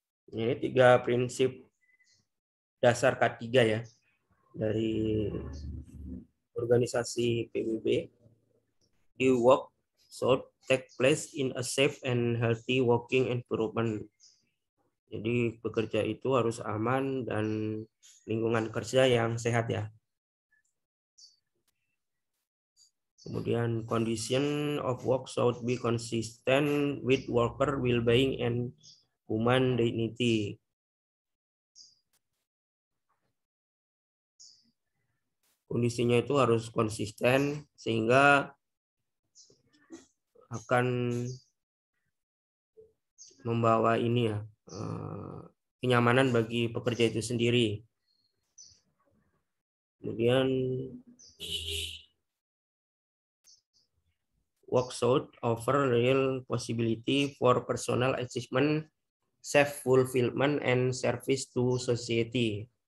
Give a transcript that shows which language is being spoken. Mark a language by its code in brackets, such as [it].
[id] Ini tiga prinsip dasar K3 ya dari organisasi PBB. [en] Do work should take place in a safe and healthy working environment. [id] Jadi bekerja itu harus aman dan lingkungan kerja yang sehat ya. [en] Kemudian condition of work should be consistent with worker well-being and human dignity. [id] Kondisinya itu harus konsisten sehingga akan membawa ini ya, kenyamanan bagi pekerja itu sendiri. [en] Kemudian work should offer real possibility for personal achievement, self fulfillment and service to society.